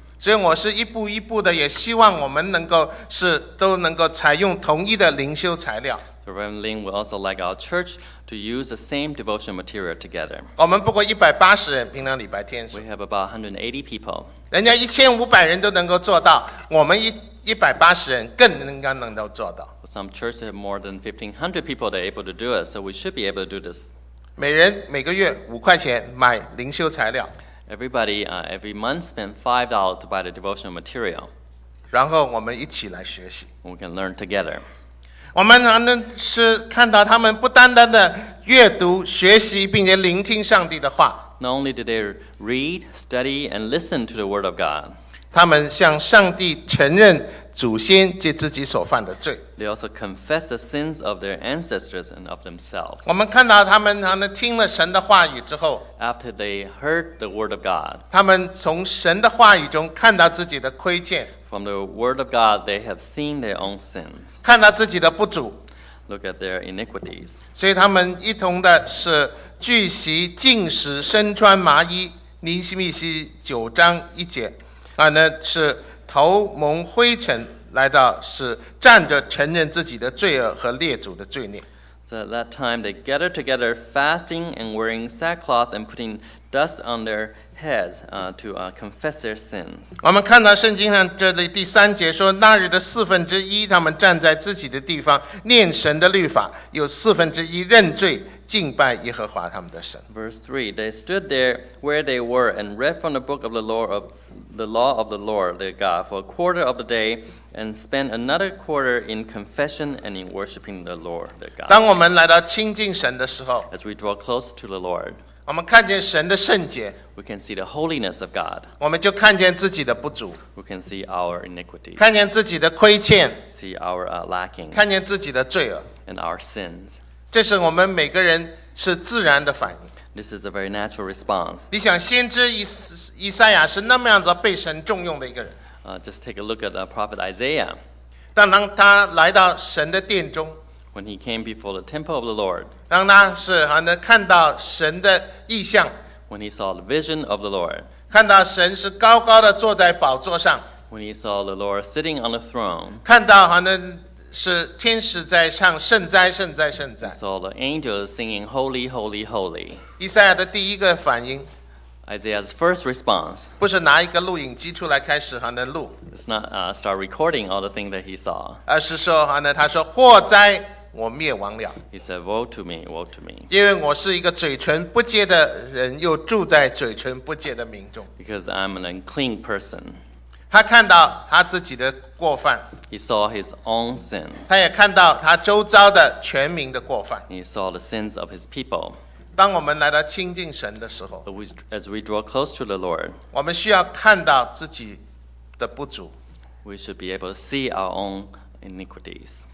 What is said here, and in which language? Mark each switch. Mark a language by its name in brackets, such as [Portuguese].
[Chinese] 所以我是一步一步的，也希望我们能够是都能够采用同一的灵修材料。 [English] So Reverend Lin would also like our church to use the same devotion material together. [Chinese] 我们不过180人，平常礼拜天。 [English] We have about 180 people. [Chinese] 人家1500人都能够做到，我们180人更应该能够做到。 [English] Some churches have more than 1,500 people that are able to do it, so we should be able to do this. [Chinese] 每人每个月5块钱买灵修材料。 [English] Everybody, every month spend $5 to buy the devotional material. [Chinese] 然后我们一起来学习。 [English] We can learn together. [Chinese] 我们还能是看到他们不单单的阅读、学习，并且聆听上帝的话。 [English] Not only did they read, study, and listen to the word of God. [Chinese] 他们向上帝承认祖先及自己所犯的罪。 [English] They also confess the sins of their ancestors and of themselves. [Chinese] 我们看到他们听了神的话语之后 [English] ，After they heard the word of God， [Chinese] 他们从神的话语中看到自己的亏欠。 [English] From the word of God, they have seen their own sins. [Chinese] 看到自己的不足 [English] ，Look at their iniquities. [Chinese] 所以他们一同的是聚席进食，身穿麻衣。尼希米西九章一节。是头蒙灰尘来到，是站着承认自己的罪恶和列祖的罪孽。 [English] So at that time they gathered together, fasting and wearing sackcloth and putting dust on their heads, confess their sins. [Chinese] 我们看到圣经上这里第三节说，那日的四分之一，他们站在自己的地方念神的律法，有四分之一认罪。敬拜耶和华他们的神。 [English] Verse 3, they stood there where they were and read from the book of the law of the law of the Lord their God for a quarter of the day and spent another quarter in confession and in worshiping the Lord their God. [Chinese] 当我们来到亲近神的时候 [English] ，As we draw close to the Lord， [Chinese] 我们看见神的圣洁 [English] ，We can see the holiness of God。 [Chinese] 我们就看见自己的不足 [English] ，We can see our iniquity。 [Chinese] 看见自己的亏欠 [English] ，See our lacking。 [Chinese] 看见自己的罪恶 [English] ，And our sins。 [Chinese] 这是我们每个人是自然的反应。 [English] This is a very natural response. [Chinese] 你想先知以赛亚是那么样子被神重用的一个人。 [English] Just take a look at the prophet Isaiah. [Chinese] 当他来到神的殿中 [English] ，When he came before the temple of the Lord. [Chinese] 当他是好像看到神的异象 [English] ，When he saw the vision of the Lord. [Chinese] 看到神是高高的坐在宝座上 [English] ，When he saw the Lord sitting on the throne. [Chinese] 看到好像。是天使在唱圣哉圣哉圣哉。 [English] Saw the angels singing holy, holy, holy. [Chinese] 以赛亚的第一个反应 [English] ，Isaiah's first response， [Chinese] 不是拿一个录影机出来开始还能录。 [English] It's not start recording all the things that he saw。 [Chinese] 而是说，还能他说祸哉，我灭亡了。 [English] He said, woe to me, woe to me。 [Chinese] 因为我是一个嘴唇不洁的人，又住在嘴唇不洁的民众。 [English] Because I'm an unclean person。 [Chinese] 他看到他自己的过犯。 [English] He saw his own sins. [Chinese] 他也看到他周遭的全民的过犯。 [English] He saw the sins of his people. [Chinese] 当我们来到亲近神的时候 [English] ，As we draw close to the Lord, [Chinese] 我们需要看到自己的不足。 [English] We should be able to see our own iniquities.